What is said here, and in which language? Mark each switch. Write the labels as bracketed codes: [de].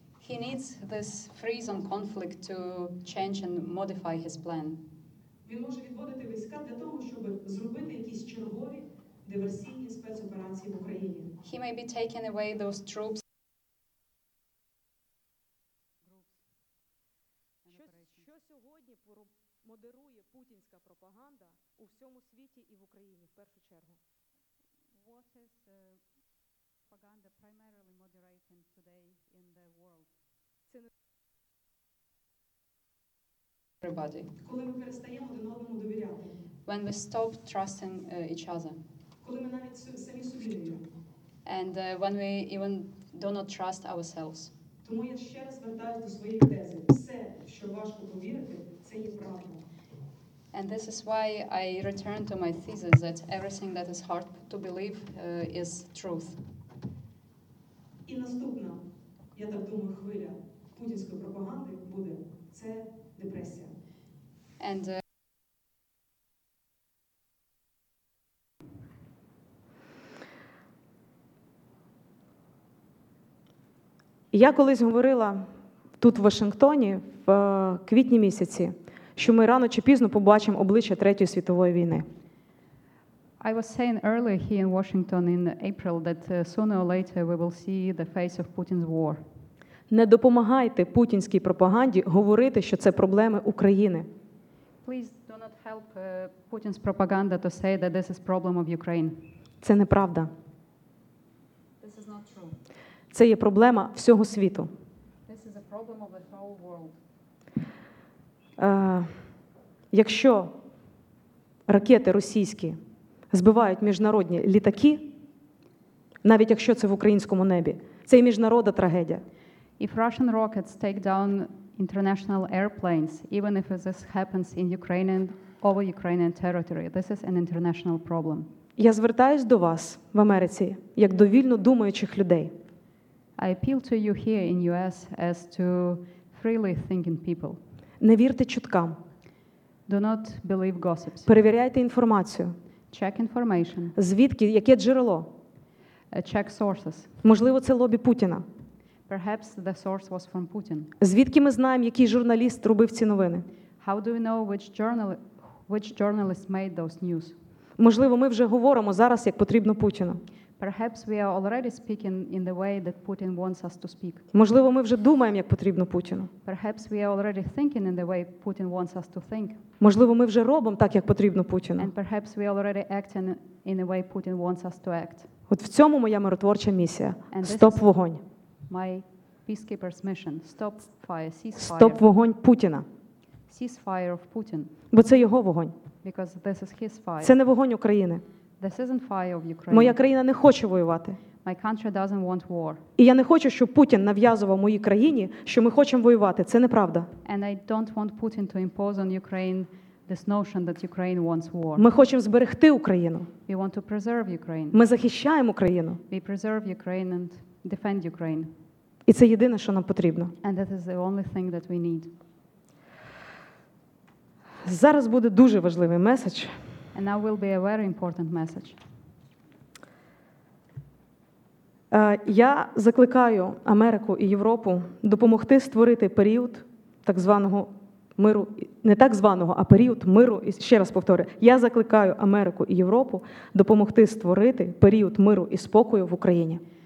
[en] He needs this freeze on conflict to change and modify his plan. [uk] Він може відводити війська для того, щоб зробити якісь чергові диверсійні спецоперації в Україні. [en] He may be taking away those troops. [uk] Модерує путінська пропаганда у всьому світі і в Україні, в першу чергу. [en] What is propaganda primarily moderating today in the world? Everybody. [uk] Коли ми перестаємо один одному довіряти. [en] When we stop trusting each other. [uk] Коли ми навіть самі собі не віримо. [en] And when we even do not trust ourselves. [uk] Тому я ще раз звертаюся до своєї тези. Все, що важко повірити, це є правда. [en] And this is why I return to my thesis that everything that is hard to believe is truth. [uk] І наступна, я так думаю, хвиля путінської пропаганди буде – це депресія. [en] And [uk] я колись говорила тут, в Вашингтоні, в квітні місяці, що ми рано чи пізно побачимо обличчя Третьої світової війни. [en] I was saying earlier here in Washington in April that sooner or later we will see the face of Putin's war. [uk] Не допомагайте путінській пропаганді говорити, що це проблеми України. [en] Please do not help Putin's propaganda to say that this is problem of Ukraine. [uk] Це неправда. [en] This is not true. [uk] Це є проблема всього світу. [en] This is a problem of the whole world. [uk] Якщо ракети російські збивають міжнародні літаки, навіть якщо це в українському небі, це і міжнародна трагедія. [en] If Russian rockets take down international airplanes, even if this happens in Ukrainian over Ukrainian territory, this is an international problem. [uk] Я звертаюсь до вас в Америці як до вільно думаючих людей. [en] I appeal to you here in US as to freely thinking people. [uk] Не вірте чуткам. [en] Do not believe gossips. [uk] Перевіряйте інформацію. [en] Check information. [uk] Звідки, яке джерело? [en] Check sources. [uk] Можливо, це лобі Путіна. [en] Perhaps the source was from Putin. [uk] Звідки ми знаємо, який журналіст робив ці новини? [en] How do we know which journalist made those news? [uk] Можливо, ми вже говоримо зараз, як потрібно Путіну. [en] Perhaps we are already speaking in the way that Putin wants us to speak. [uk] Можливо, ми вже думаємо, як потрібно Путіну. [en] Perhaps we are already thinking in the way Putin wants us to think. [uk] Можливо, ми вже робимо так, як потрібно Путіну. [en] And perhaps we are already acting in the way Putin wants us to act. [uk] От в цьому моя миротворча місія. Стоп вогонь. [en] My peacekeeper's mission. Stop fire. Cease fire. [uk] Стоп вогонь Путіна. [en] Cease fire of Putin. [uk] Бо це його вогонь. [en] Because this is his fire. [uk] Це не вогонь України. [en] This isn't fire of Ukraine. [uk] Моя країна не хоче воювати. [en] My country doesn't want war. [uk] І я не хочу, щоб Путін нав'язував моїй країні, що ми хочемо воювати. Це неправда. [en] And I don't want Putin to impose on Ukraine this notion that Ukraine wants war. [uk] Ми хочемо зберегти Україну. [en] We want to preserve Ukraine. [uk] Ми захищаємо Україну. [en] We preserve Ukraine and defend Ukraine. [uk] І це єдине, що нам потрібно. [en] And that is the only thing that we need. [uk] Зараз буде дуже важливий меседж. [en] And now will be a very important message. [uk] Я закликаю Америку і Європу допомогти створити період так званого миру, не так званого, а період миру, і ще раз повторю, я закликаю Америку і Європу допомогти створити період миру і спокою в Україні.